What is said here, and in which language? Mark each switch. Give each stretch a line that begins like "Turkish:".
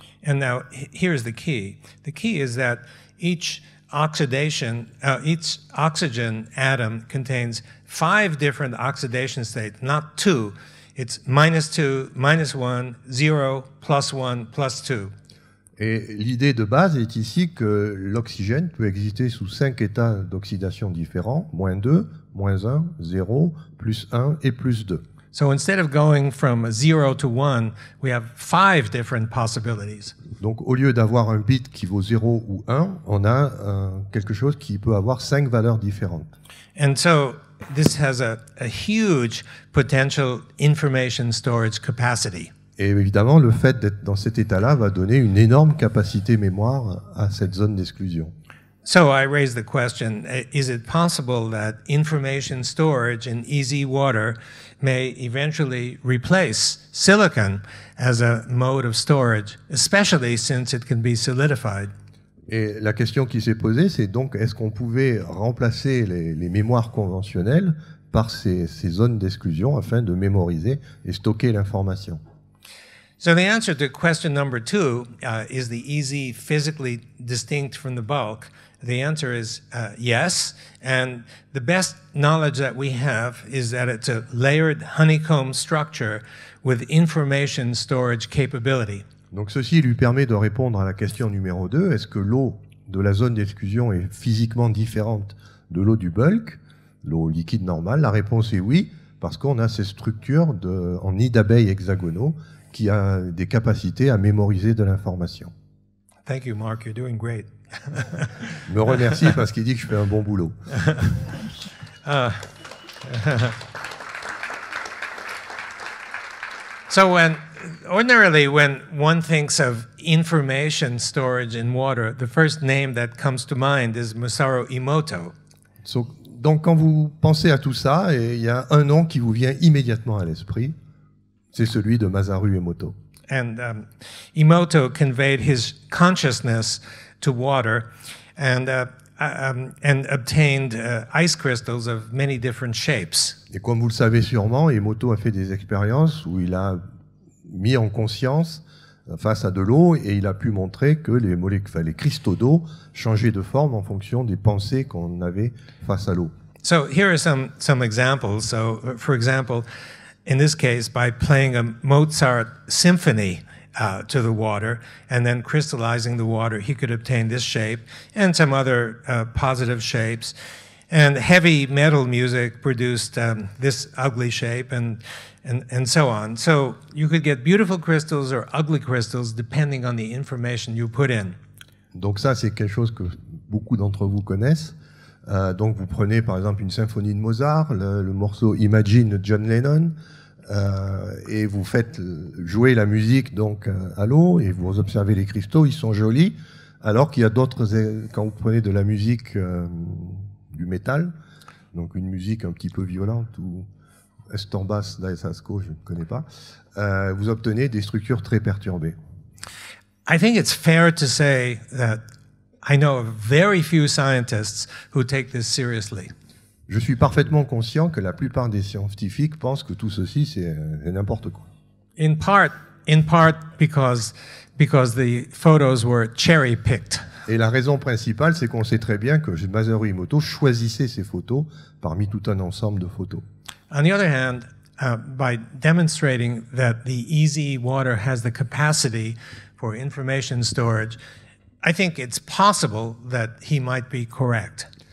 English: And now here's the key. The key is that each oxygen atom contains five different oxidation states, not two. It's minus 2, minus 1, 0, plus 1, plus 2.
French: Et l'idée de base est ici que l'oxygène peut exister sous 5 états d'oxydation différents, moins 2, moins 1, 0, plus 1 et plus 2.
English: So instead of going from 0 to 1, we have 5 different possibilities.
French: Donc au lieu d'avoir un bit qui vaut 0 ou 1, on a quelque chose qui peut avoir 5 valeurs différentes.
English: And so this has a huge potential information storage capacity.
French: Et évidemment, le fait d'être dans cet état-là va donner une énorme capacité mémoire à cette zone d'exclusion.
English: So I raise the question, is it possible that information storage in easy water may eventually replace silicon as a mode of storage, especially since it can be solidified?
French: Et la question qui s'est posée, c'est donc, est-ce qu'on pouvait remplacer les mémoires conventionnelles par ces zones d'exclusion afin de mémoriser et stocker l'information?
English: So the answer to question number two is the easy physically distinct from the bulk. The answer is yes, and the best knowledge that we have is that it's a layered honeycomb structure with information storage capability.
French: Donc ceci lui permet de répondre à la question numéro 2, est-ce que l'eau de la zone d'exclusion est physiquement différente de l'eau du bulk, l'eau liquide normale? La réponse est oui, parce qu'on a ces structures en nid d'abeilles hexagonaux qui a des capacités à mémoriser de l'information.
English: Thank you, Mark. You're doing great.
French: Me remercie parce qu'il dit que je fais un bon boulot.
English: So when ordinarily, when one thinks of information storage in water, the first name that comes to mind is Masaru Emoto.
French: So, donc quand vous pensez à tout ça, et il y a un nom qui vous vient immédiatement à l'esprit, c'est celui de Masaru Emoto.
English: And Emoto conveyed his consciousness to water and obtained ice crystals of many different shapes.
French: Et comme vous le savez sûrement, Emoto a fait des expériences où il a mis en conscience face à de l'eau et il a pu montrer que les cristaux d'eau changeaient de forme en fonction des pensées qu'on avait face à l'eau.
English: So here are some examples. So for example, in this case, by playing a Mozart symphony to the water and then crystallizing the water, he could obtain this shape and some other positive shapes. And heavy metal music produced this ugly shape and so on. So you could get beautiful crystals or ugly crystals depending on the information you put in.
French: Donc ça, c'est quelque chose que beaucoup d'entre vous connaissent. Donc vous prenez par exemple une symphonie de Mozart, le morceau Imagine de John Lennon, et vous faites jouer la musique donc à l'eau, et vous observez les cristaux, ils sont jolis, alors qu'il y a d'autres, quand vous prenez de la musique du métal, donc une musique un petit peu violente, ou Estambas d'Aesasco, je ne connais pas, vous obtenez des structures très perturbées.
English: I think it's fair to say that I know very few scientists who take this seriously.
French: Je suis parfaitement conscient que la plupart des scientifiques pensent que tout ceci c'est n'importe quoi.
English: In part because the photos were cherry picked.
French: Et la raison principale c'est qu'on sait très bien que Masaru Emoto choisissait ses photos parmi tout un ensemble de photos.
English: On the other hand, by demonstrating that the easy water has the capacity for information storage, I think it's possible that he might be correct.